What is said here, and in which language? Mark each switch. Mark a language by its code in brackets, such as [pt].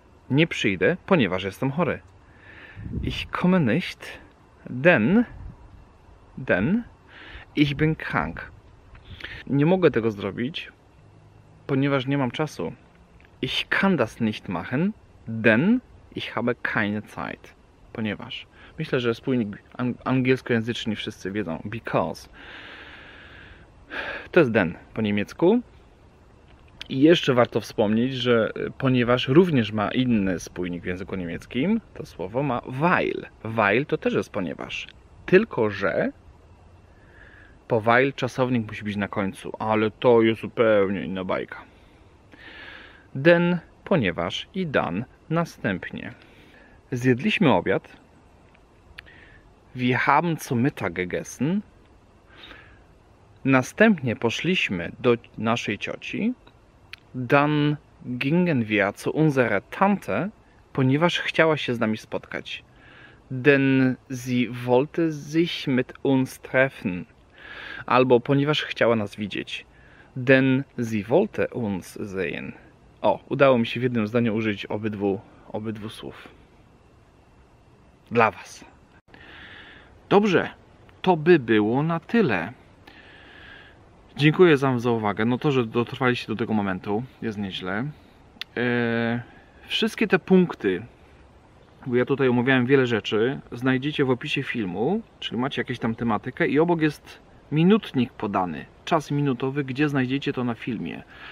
[pl] Nie przyjdę, ponieważ jestem chory. [de] Ich komme nicht, denn ich bin krank. [pl] Nie mogę tego zrobić, ponieważ nie mam czasu. [de] Ich kann das nicht machen, denn ich habe keine Zeit. [pl] Ponieważ. Myślę, że spójnik angielskojęzyczny wszyscy wiedzą. Because. To jest den po niemiecku. I jeszcze warto wspomnieć, że ponieważ również ma inny spójnik w języku niemieckim, to słowo ma weil. Weil to też jest ponieważ. Tylko, że po weil czasownik musi być na końcu, ale to jest zupełnie inna bajka. Den, ponieważ i dan, następnie. Zjedliśmy obiad. [de] Wir haben zu Mittag gegessen. [pl] Następnie poszliśmy do naszej cioci. [de] Dann gingen wir zu unserer Tante, [pl] ponieważ chciała się z nami spotkać. [de] Denn sie wollte sich mit uns treffen. [pl] Albo ponieważ chciała nas widzieć. [de] Denn sie wollte uns sehen. [pl] O, udało mi się w jednym zdaniu użyć obydwu słów. Dla was. Dobrze, to by było na tyle. Dziękuję wam za uwagę. No to, że dotrwaliście do tego momentu, jest nieźle. Wszystkie te punkty, bo ja tutaj omawiałem wiele rzeczy, znajdziecie w opisie filmu, czyli macie jakąś tam tematykę i obok jest minutnik podany, czas minutowy, gdzie znajdziecie to na filmie.